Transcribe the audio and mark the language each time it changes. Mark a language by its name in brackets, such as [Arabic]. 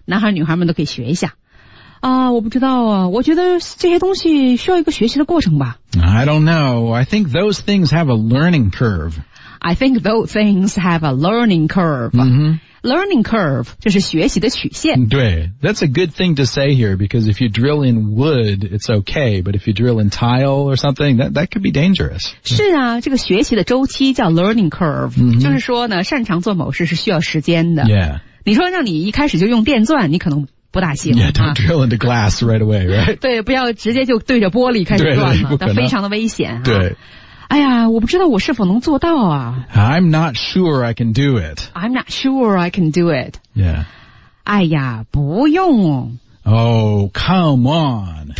[Chinese] 男孩女孩们都可以学一下啊！我不知道啊，我觉得这些东西需要一个学习的过程吧。 [English] I don't know. I think those things have a learning curve. I think those things have a learning curve、 mm-hmm. [Chinese] learning curve, 就是学习的曲线。对, [English] that's a good thing to say here, because if you drill in wood, it's okay, but if you drill in tile or something, that could be dangerous. [Chinese] 是啊,这个学习的周期叫 learning curve,、mm-hmm. 就是说呢,擅长做某事是需要时间的。 [English] Yeah. [Chinese] 你说让你一开始就用电钻,你可能不大行。 [English] Yeah, don't drill into glass right away, right? [Chinese] 对,不要直接就对着玻璃开始钻了,那非常的危险。对。哎呀，我不知道我是否能做到啊。 [English] I'm not sure I can do it. I'm not sure I can do it. Yeah. [Chinese] 哎呀，不用。 [English] Oh, come on.